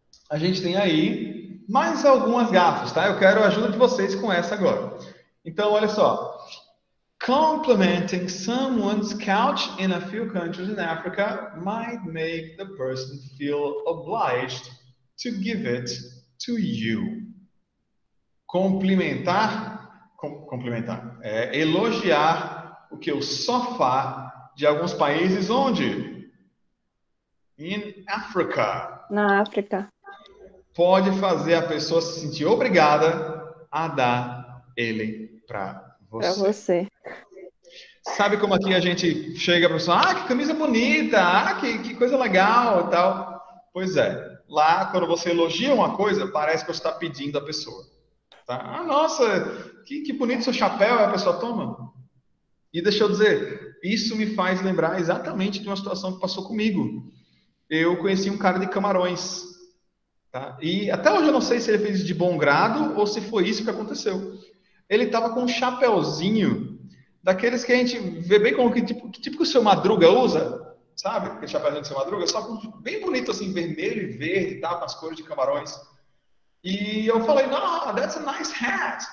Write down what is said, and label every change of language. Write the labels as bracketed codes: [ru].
[pt] A gente tem aí mais algumas gafes, tá? Eu quero a ajuda de vocês com essa agora. Então, olha só. [en] Complimenting someone's couch in a few countries in Africa might make the person feel obliged to give it to you. [pt] Complementar é elogiar o que o sofá de alguns países onde? [en] In Africa. [pt] Na África. Pode fazer a pessoa se sentir obrigada a dar ele para você. Para você. Sabe como aqui a gente chega para a pessoa, ah, que camisa bonita, ah, que coisa legal e tal. Pois é, lá quando você elogia uma coisa, parece que você está pedindo a pessoa. Tá? Ah, nossa, que bonito seu chapéu, a pessoa toma. E deixa eu dizer, isso me faz lembrar exatamente de uma situação que passou comigo. Eu conheci um cara de Camarões. Tá? E até hoje eu não sei se ele fez de bom grado ou se foi isso que aconteceu. Ele estava com um chapéuzinho daqueles que a gente vê bem como tipo que o seu Madruga usa, sabe? Aquele chapéuzinho do seu Madruga, só bem bonito assim, vermelho e verde, tá? Com as cores de Camarões. E eu falei, [en] no, that's a nice hat.